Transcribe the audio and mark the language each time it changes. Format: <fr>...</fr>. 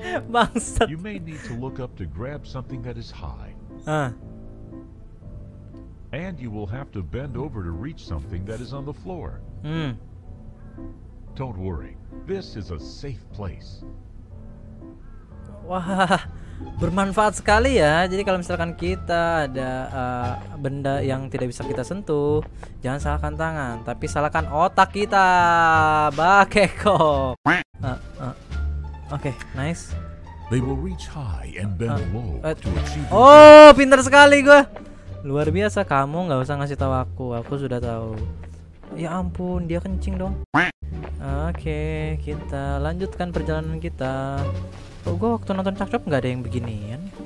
<id>Bangsat.</id> <en>You may need to look up to grab something that is high. And you will have to bend over to reach something that is on the floor. Don't worry, this is a safe place.</en> <id>Wah, bermanfaat sekali ya. Jadi kalau misalkan kita ada benda yang tidak bisa kita sentuh, jangan salahkan tangan, tapi salahkan otak kita. Bakeko. Oke, nice.</id> <en>They will reach high and bend low to achieve.</en> <id>Oh, pintar sekali gue. Luar biasa, kamu nggak usah ngasih tahu aku. Aku sudah tahu. Ya ampun, dia kencing dong. Oke, kita lanjutkan perjalanan kita. Kok gue waktu nonton Cakcop nggak ada yang beginian?</id>